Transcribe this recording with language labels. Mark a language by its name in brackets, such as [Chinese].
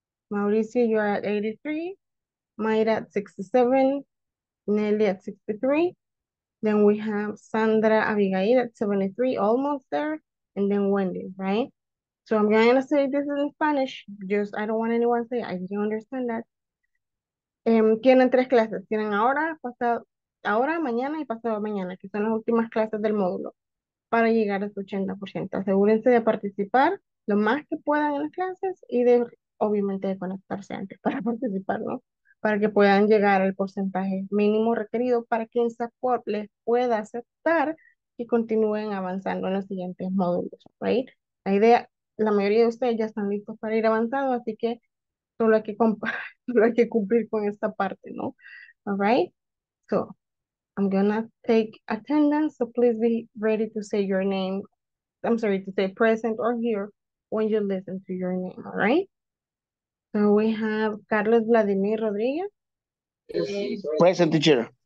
[English] Mauricio, you are at 83. Mayra at 67. Nelly at 63. Then we have Sandra Abigail at 73, almost there. And then Wendy, right? So I'm going to say this in Spanish. Just, I don't want anyone to say, I don't understand that. [Spanish] Tienen tres clases. Tienen ahora, pasado, ahora, mañana y pasado mañana, que son las últimas clases del módulo, para llegar a su 80%. Asegúrense de participar lo más que puedan en las clases y de, obviamente, de conectarse antes para participar, ¿no? Para que puedan llegar al porcentaje mínimo requerido para que en support les pueda aceptar y continúen avanzando en los siguientes módulos, ¿right? La idea... La mayoría de ustedes ya están listos para ir avanzado, así que solo hay que cumplir con esta parte, ¿no? [English] All right? So, I'm gonna take attendance, so please be ready to say your name. I'm sorry, to say present or here when you listen to your name, all right? So, we have Carlos Vladimir Rodriguez. Present, teacher.